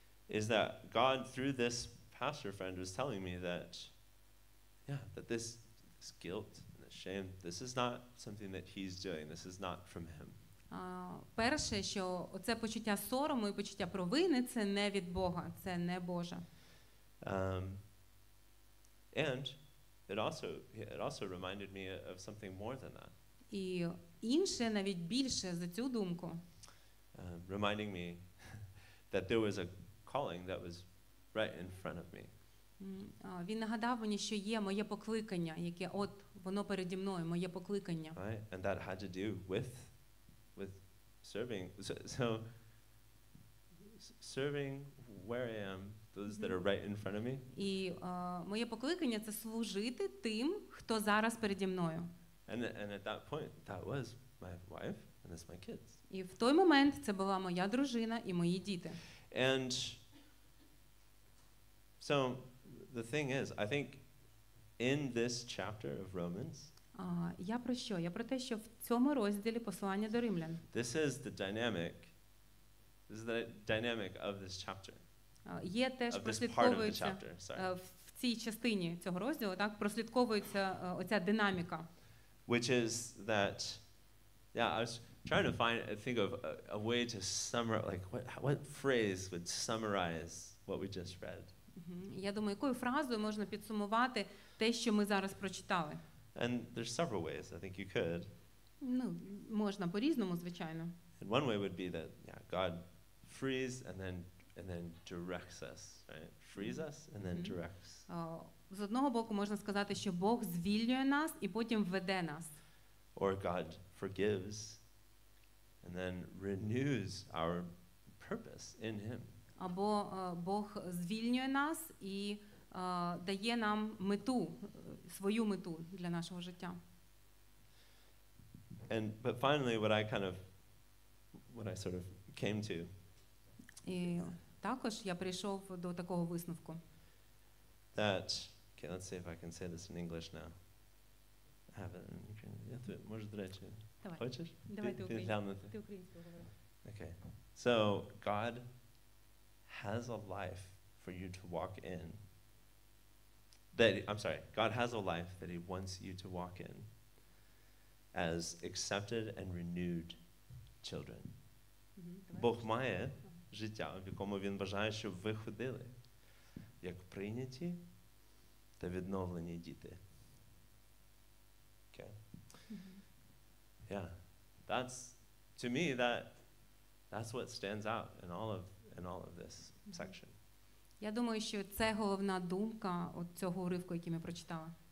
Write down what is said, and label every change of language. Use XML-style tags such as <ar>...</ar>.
<en>Is that God through this pastor friend was telling me that this guilt and the shame, this is not something that he's doing, this is not from him.</en> <uk>Перше, що це почуття сорому і почуття провини, це не від Бога, це не Боже.</uk> <en>And it also reminded me of something more than that.</en> <uk>І інше, навіть більше за цю думку.</uk> <en>Reminding me that there was a calling that was right in front of me.</en> <uk>Він нагадав мені, що є моє покликання, яке от воно переді мною, моє покликання.</uk> <en>Right? And that had to do with serving. So serving where I am, those that are right in front of me.</en> <uk>І моє покликання — це служити тим, хто зараз переді мною.</uk> <en>And at that point, that was my wife and that's my kids.</en> <uk>І в той момент це була моя дружина і мої діти.</uk> <en>And so the thing is, I think in this chapter of Romans,</en> <uk>я про що? Я про те, що в цьому розділі послання до Римлян.</uk> <en>This is the dynamic. This is the dynamic of this chapter.</en> <uk>Є теж прослідковується в цій частині цього розділу, так, прослідковується оця динаміка.</uk> <en>Which is that, I was trying to think of a way to summarize, like what phrase would summarize what we just read.</en> <uk>Я думаю, якою фразою можна підсумувати те, що ми зараз прочитали.</uk> <en>And there's several ways, I think you could.</en> <uk>Ну, можна по-різному, звичайно.</uk> <en>And one way would be that, God frees and then directs us, right? Frees us and then directs.</en> <uk>З одного боку можна сказати, що Бог звільнює нас і потім веде нас.</uk> <en>Or God forgives and then renews our purpose in him.</en> <uk>Або Бог звільнює нас і дає нам мету, свою мету для нашого життя.</uk> <en>And but finally what I sort of came to.</en> <uk>І також я прийшов до такого висновку.</uk> <en>That, okay, let's see if I can say this in English now. I have it in Ukrainian. Yeah,</en> <uk>можеш, до речі. Давай. Хочеш? Давай ти українською говори.</uk> <en>Okay. So, God has a life for you to walk in. God has a life that he wants you to walk in as accepted and renewed children.</en> <uk>Бог має життя, в якому він бажає, щоб ви ходили як прийняті та відновлені діти.</uk> <en>Okay. Mm-hmm. Yeah. That's to me that's what stands out in all of this section.</en> <uk>Я думаю, що це головна думка от цього уривку, який ми прочитали.</uk>